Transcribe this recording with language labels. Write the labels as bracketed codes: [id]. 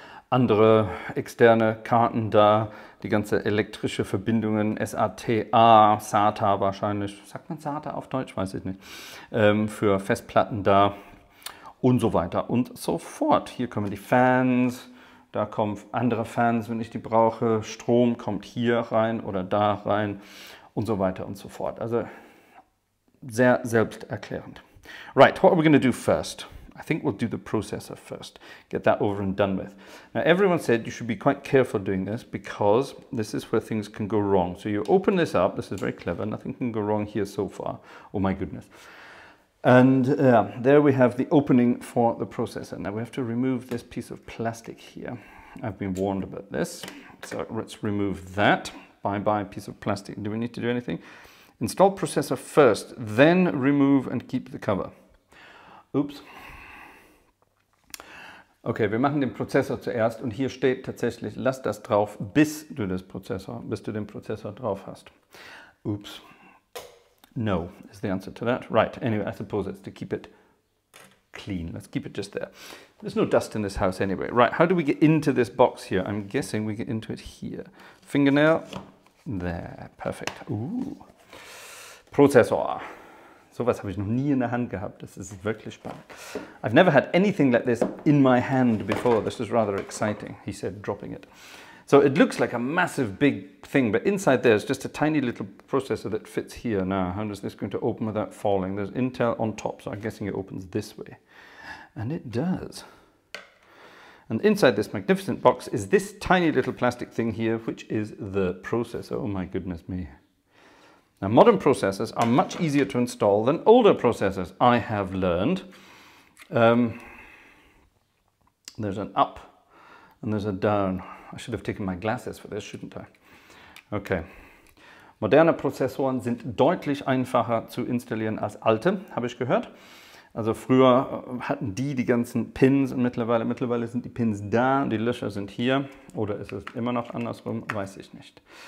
[de] Andere externe Karten da, die ganze elektrische Verbindungen, SATA, SATA wahrscheinlich, sagt man SATA auf Deutsch, weiß ich nicht, für Festplatten da und so weiter und so fort. Hier kommen die Fans, da kommen andere Fans, wenn ich die brauche, Strom kommt hier rein oder da rein und so weiter und so fort. Also sehr selbsterklärend. [en] Right, what are we going to do first? I think we'll do the processor first, get that over and done with. Now, everyone said you should be quite careful doing this because this is where things can go wrong. So you open this up. This is very clever. Nothing can go wrong here so far. Oh, my goodness. And there we have the opening for the processor. Now, we have to remove this piece of plastic here. I've been warned about this. So let's remove that. Bye-bye piece of plastic. Do we need to do anything? Install processor first, then remove and keep the cover. Oops. [de] Okay, wir machen den Prozessor zuerst und hier steht tatsächlich, lass das drauf, bis du das Prozessor, bis du den Prozessor drauf hast. [en] Oops. No is the answer to that. Right, anyway, I suppose it's to keep it clean. Let's keep it just there. There's no dust in this house anyway. Right, how do we get into this box here? I'm guessing we get into it here. Fingernail. There, perfect. Ooh. Prozessor. [de] Sowas habe ich noch nie in der Hand gehabt. Das ist wirklich spannend. [en] I've never had anything like this in my hand before. This is rather exciting, he said, dropping it. So it looks like a massive big thing, but inside there is just a tiny little processor that fits here. Now, how is this going to open without falling? There's Intel on top, so I'm guessing it opens this way. And it does. And inside this magnificent box is this tiny little plastic thing here, which is the processor. Oh my goodness me. Now, modern processors are much easier to install than older processors, I have learned. There's an up and there's a down. I should have taken my glasses for this, shouldn't I? Okay. [de] Moderne Prozessoren sind deutlich einfacher zu installieren als alte, habe ich gehört. Also früher hatten die ganzen Pins und mittlerweile sind die Pins da und die Löcher sind hier. Oder ist es immer noch andersrum, weiß ich nicht.